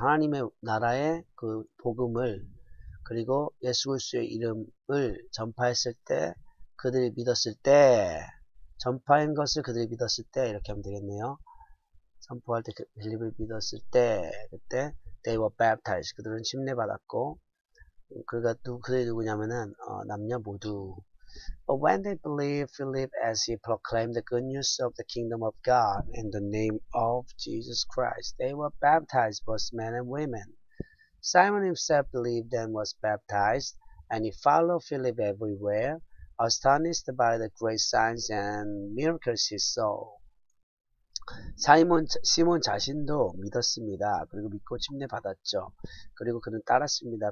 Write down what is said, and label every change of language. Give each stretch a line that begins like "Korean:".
Korean: 하나님의 나라의 그 복음을, 그리고 예수 그리스도의 이름을 전파했을 때, 그들이 믿었을 때, 전파한 것을 그들이 믿었을 때, 이렇게 하면 되겠네요. 선포할 때, 빌립을 믿었을 때, 그때,
English: they were baptized.
Korean: 그들은 침례받았고, 그들이 누구냐면은, 남녀 모두.
English: But when they believed Philip as he proclaimed the good news of the kingdom of God in the name of Jesus Christ, they were baptized both men and women. Simon himself believed and was baptized, and he followed Philip everywhere, astonished by the great signs and miracles he saw.
Korean: 시몬 자신도 믿었습니다. 그리고 믿고 침례받았죠. 그리고 그는 따랐습니다.